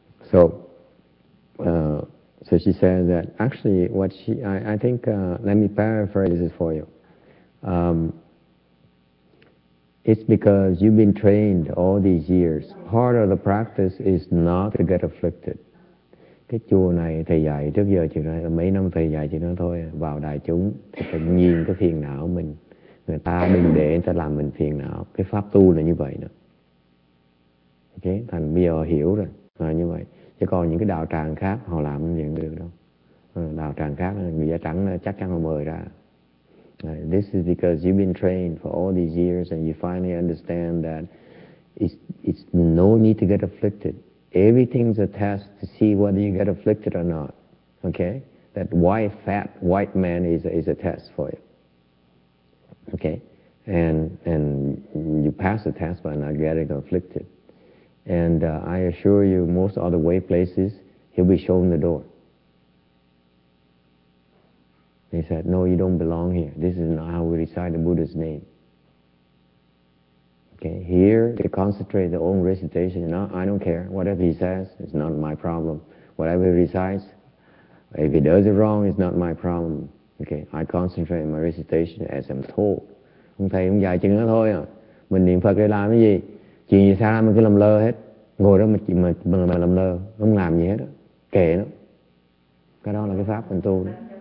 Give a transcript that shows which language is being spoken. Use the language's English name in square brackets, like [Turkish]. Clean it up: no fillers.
[English] So she says that actually what she I think let me paraphrase this for you. It's because you've been trained all these years. Part of the practice is not to get afflicted. [Vietnamese] Cái chùa này thầy dạy trước giờ chỉ là mấy năm thầy dạy chỉ nói thôi, vào đại chúng thì phải nhìn cái phiền não mình. Người ta đừng để người ta làm mình phiền não. Cái pháp tu là như vậy đó. Ok, thành bây giờ hiểu rồi, là như vậy. Chứ còn những cái đạo tràng khác họ làm như vậy được đâu. Đạo tràng khác người da trắng chắc chắn họ mời ra. [English] This is because you've been trained for all these years and you finally understand that it's no need to get afflicted. Everything's a test to see whether you get afflicted or not. Okay? That white fat white man is a test for you. Okay? And you pass the test by not getting afflicted. And I assure you, most other way places, he'll be shown the door. He said, no, you don't belong here. This is not how we recite the Buddha's name. Okay, here they concentrate their own recitation. No, I don't care. Whatever he says, it's not my problem. Whatever he recites, if he does it wrong, it's not my problem. Okay, I concentrate my recitation as I'm told. [Vietnamese] Ông thầy cũng dạy chừng đó thôi à. Mình niệm Phật để làm cái gì? Chuyện gì xa mình cứ làm lơ hết. Ngồi đó mà làm lơ. Không làm gì hết đó. Kệ nó. Cái đó là cái pháp mình tu đó.